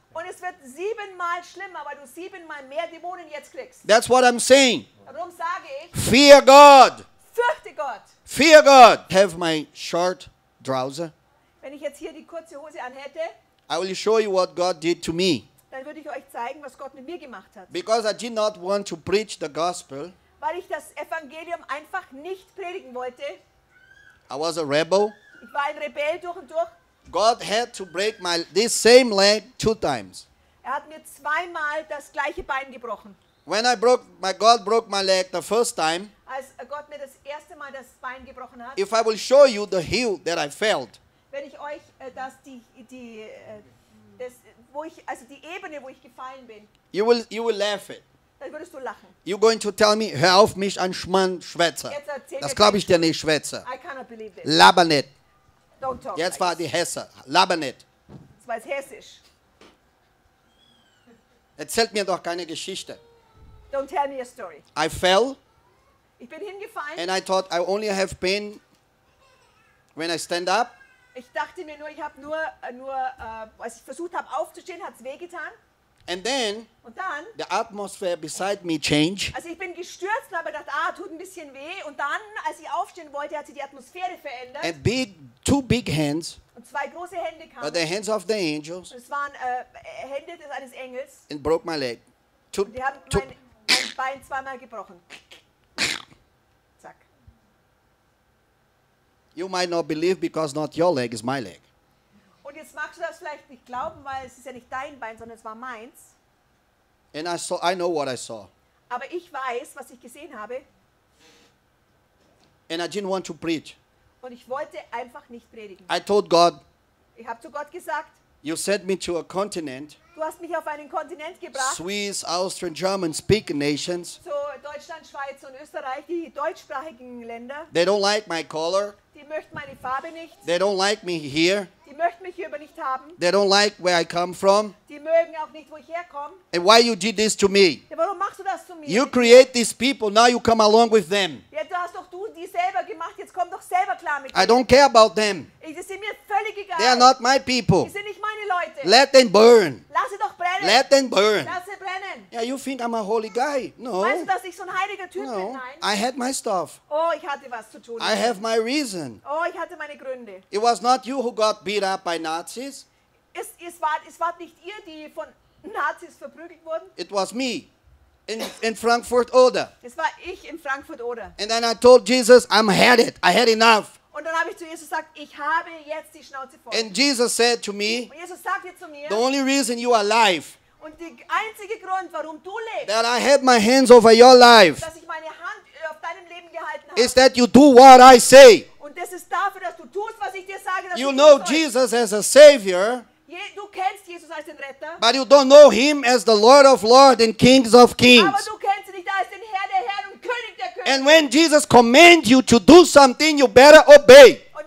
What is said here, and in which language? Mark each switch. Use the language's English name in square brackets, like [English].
[German] Und es wird siebenmal schlimmer, weil du siebenmal mehr Dämonen jetzt kriegst. [English] That's what I'm saying. [German] Darum sage ich, [English] fear God. [German] Fürchte Gott. [English] Fear God. Have my short trouser. [German] Wenn ich jetzt hier die kurze Hose anhätte, [English] I will show you what God did to me. [German] Dann würde ich euch zeigen, was Gott mit mir gemacht hat. [English] Because I did not want to preach the gospel. [German] Weil ich das Evangelium einfach nicht predigen wollte. [English] I was a rebel. [German] Ich war ein Rebell durch und durch. [English] God had to break this same leg 2 times. [German] Er hat mir zweimal das gleiche Bein gebrochen. [English] When I broke my God broke my leg the first time. [German] Als Gott mir das erste Mal das Bein gebrochen hat. [English] If I will show you the heel that I felt. [German] Wenn ich euch die Ebene, wo ich gefallen bin. [English] You will laugh it. [German] Dann würdest du lachen. [English] You're going to tell me, [German] hör auf mich an Schmann Schwätzer. Das glaube ich dir nicht, Schwätzer. [English] I cannot believe it. [German] Laber nicht. [English] Don't talk. [German] Jetzt war die Hesse. Laber nicht. Das war jetzt hessisch. Erzählt mir doch keine Geschichte. [English] Don't tell me a story. I fell. [German] Ich bin hingefallen. [English] And I thought I only have pain when I stand up. [German] Ich dachte mir nur, ich habe nur, als ich versucht habe aufzustehen, hat es wehgetan. [English] And then, [German] und dann, [English] the atmosphere beside me changed. [German] Also ich bin gestürzt, habe gedacht, tut ein bisschen weh. Und dann, als ich aufstehen wollte, hat sich die Atmosphäre verändert. [English] And two big hands. [German] Und zwei große Hände kamen. [English] But the hands of the angels. [German] Es waren Hände des eines Engels. [English] And broke my leg. [German] Die haben mein Bein zweimal gebrochen. Zack. [English] You might not believe because not your leg is my leg. [German] Und jetzt magst du das vielleicht nicht glauben, weil es ist ja nicht dein Bein, sondern es war meins. [English] And I know what I saw. [German] Aber ich weiß, was ich gesehen habe. [English] And I didn't want to preach. [German] Und ich wollte einfach nicht predigen. [English] I told God. [German] Ich habe zu Gott gesagt. [English] You sent me to a continent. [German] Du hast mich auf einen Kontinent gebracht. [English] Swiss, Austrian, German speaking nations. [German] So Deutschland, Schweiz und Österreich, die deutschsprachigen Länder. [English] They don't like my color. [German] Die möchten meine Farbe nicht. [English] They don't like me here. [German] Die möchten mich hier aber nicht haben. [English] They don't like where I come from. [German] Die mögen auch nicht, wo ich herkomme. [English] And why you did this to me? [German] Ja, warum machst du das zu mir? [English] You create these people, now you come along with them. [German] Ja, du hast doch du die selber gemacht, jetzt komm doch selber klar mit denen. [English] I don't care about them. [German] Die sind mir völlig egal. [English] They are not my people. [German] Die sind nicht meine Leute. [English] Let them burn. [German] Lass sie doch brennen. [English] Let them burn. [German] Lass sie brennen. [English] Yeah, you think I'm a holy guy? No. [German] Weißt du, dass ich so ein heiliger Typ bin? [English] No. [German] Nein. [English] I had my stuff. [German] Oh, ich hatte was zu tun. [English] I have my reason. [German] Oh, ich hatte meine Gründe. [English] It was not you who got beat up by Nazis. [German] Es war nicht ihr, die von Nazis verprügelt wurden. [English] It was me. In Frankfurt Oder. [German] Es war ich in Frankfurt Oder. [English] And then I told Jesus, I'm had it. I had enough. [German] Und dann habe ich zu Jesus gesagt, ich habe jetzt die Schnauze voll. [English] And Jesus said to me, [German] und Jesus sagte zu mir, [English] the only reason you are alive, [German] und der einzige Grund, warum du lebst, [English] that I had my hands over your life, [German] dass ich meine Hand auf deinem Leben gehalten habe, [English] is that you do what I say. [German] Und das ist dafür, dass du tust, was ich dir sage. [English] You know Jesus as a Savior, [German] du kennst Jesus als den Retter, [English] but you don't know him as the Lord of Lords and Kings of Kings. [German] Aber du kennst ihn nicht als den Herr der Herren. [English] And when Jesus commands you to do something, you better obey.